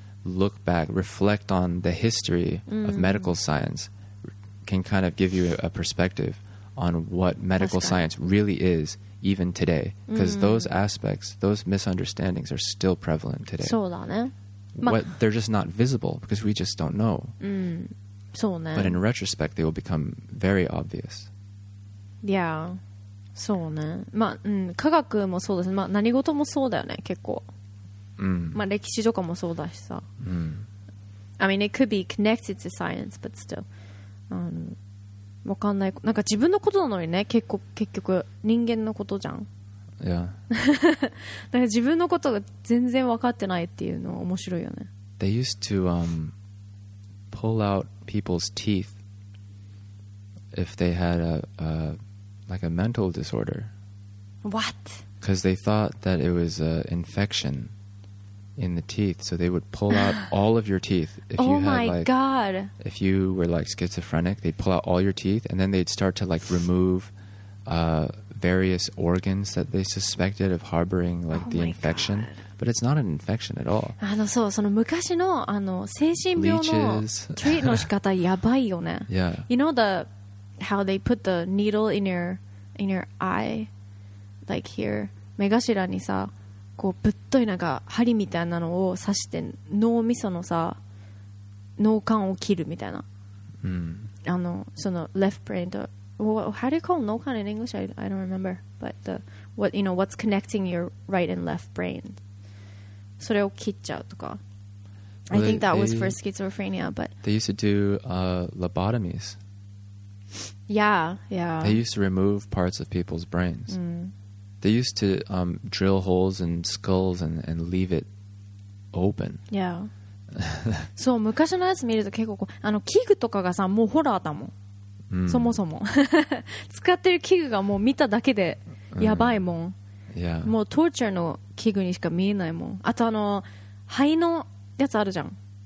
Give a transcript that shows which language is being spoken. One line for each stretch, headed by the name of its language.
English: look back, reflect on the history of medical science can kind of give you a perspective on what medical science really is even today. Because those aspects, those misunderstandings are still prevalent today.
Japanese: そうだね。
English: What, they're just not visible because we just don't know.
Japanese: そうね。
English: But in retrospect, they will become very obvious.
Japanese: Yeah. そうね。まあ、うん、科学もそうですね。まあ、何事もそうだよね、結構。まあ、歴史とかもそうだしさ。
English: I mean, it could be connected to science, but still.
Japanese: わかんない。なんか自分のことなのにね、結構、結局、人間のことじゃん。いや。だから自分のことが全然わかってないっていうのは面白いよね。
English: They used to, pull out people's teeth if they had a... like a mental disorder. What? Because they thought that it was an infection in the teeth, so they would pull out all of your teeth. If oh you had my like, god! If you were like schizophrenic, they'd pull out all your teeth, and then they'd start to like remove various organs that they suspected of harboring like oh the infection. God. But it's not an infection at all.
Japanese: そう、その昔の、精神病の treat の仕方やばいよね。
English: Yeah. You know the... How they put the needle in your eye, like here.
Japanese: 目頭にさ、こうぶっといなんか針みたいなのを刺して脳みそのさ、脳幹を切るみたいな。
English: その left brain と、well, how do you call 脳幹 in English? I don't remember. But the what you know what's connecting your right and left brain.
Japanese: それを切っちゃうとか。
English: Well, I think that was for schizophrenia, but they used to do lobotomies. Yeah, yeah. They used to remove parts of people's brains. They used to drill holes in skulls and leave it open. Yeah.
Japanese: そう、昔のやつ見ると結構こう、器具とかがさ、もうホラーだもん。そもそも。使ってる器具がもう見ただけでやばいもん。
English: Yeah.
Japanese: もうトーチャーの器具にしか見えないもん。あと肺のやつあるじゃん。